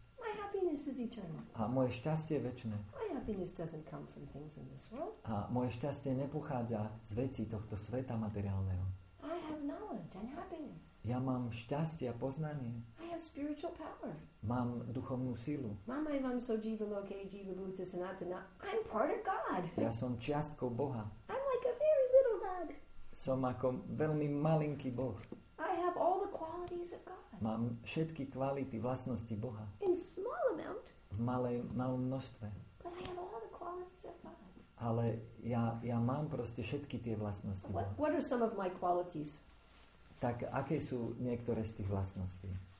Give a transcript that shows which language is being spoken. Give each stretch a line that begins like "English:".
English: My happiness is eternal.
Slovak: A moje šťastie je večné.
English: My happiness doesn't come from things in this world.
Slovak: A moje šťastie nepochádza z vecí tohto sveta materiálneho.
English: I have knowledge and happiness.
Slovak: Ja mám šťastie a poznanie.
English: I have spiritual power.
Slovak: Mám duchovnú silu.
Sanskrit: Mama, I'm so jiva loke, jiva bhuta sanatana.
English: I'm part of God.
Slovak: Ja som čiastkou Boha.
English: I'm like a very little God.
Slovak: Som ako veľmi malinký Boh.
English: I have all the qualities of God.
Slovak: Mám všetky kvality, vlastnosti Boha.
English: In small amount.
Slovak: V malom množstve.
English: But I have all the qualities of God.
Slovak: Ale ja mám proste všetky tie vlastnosti.
English: What are some of my qualities?
Slovak: Tak aké sú niektoré z tých vlastností?